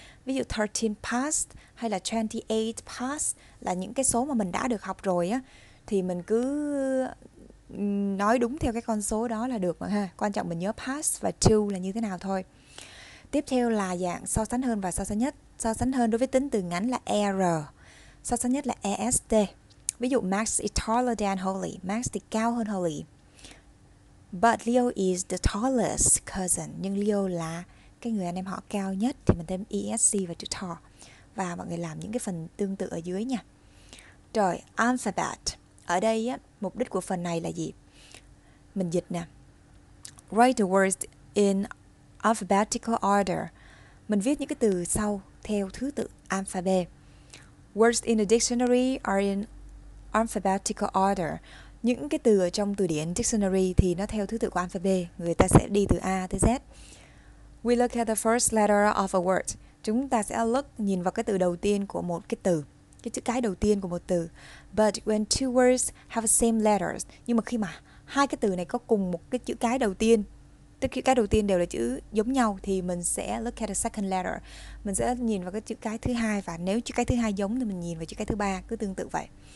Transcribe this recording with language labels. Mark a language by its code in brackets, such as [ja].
[vi] Ví dụ 13 past hay là 28 past là những cái số mà mình đã được học rồi á, thì mình cứ nói đúng theo cái con số đó là được mà ha. Quan trọng mình nhớ past và to là như thế nào thôi. Tiếp theo là dạng so sánh hơn và so sánh nhất. So sánh hơn đối với tính từ ngắn là error. So sánh nhất là est. Ví dụ [en] Max is taller than Holly. [vi] Max thì cao hơn Holly. [en] But Leo is the tallest cousin. [vi] Nhưng Leo là cái người anh em họ cao nhất, thì mình thêm esc và chữ tall. Và mọi người làm những cái phần tương tự ở dưới nha. Rồi, alphabet. Ở đây á, mục đích của phần này là gì? Mình dịch nè. [en] Write the words in alphabetical order. [vi] Mình viết những cái từ sau theo thứ tự alphabet. [en] Words in the dictionary are in alphabetical order. [vi] Những cái từ ở trong từ điển dictionary thì nó theo thứ tự của alphabet. Người ta sẽ đi từ A tới Z. [en] We look at the first letter of a word. [vi] Chúng ta sẽ look, nhìn vào cái từ đầu tiên của một cái từ, cái chữ cái đầu tiên của một từ. [en] But when two words have the same letters, [vi] nhưng mà khi mà hai cái từ này có cùng một cái chữ cái đầu tiên, tức chữ cái đầu tiên đều là chữ giống nhau, thì mình sẽ [en] look at the second letter. [vi] Mình sẽ nhìn vào cái chữ cái thứ hai, và nếu chữ cái thứ hai giống thì mình nhìn vào chữ cái thứ ba, cứ tương tự vậy.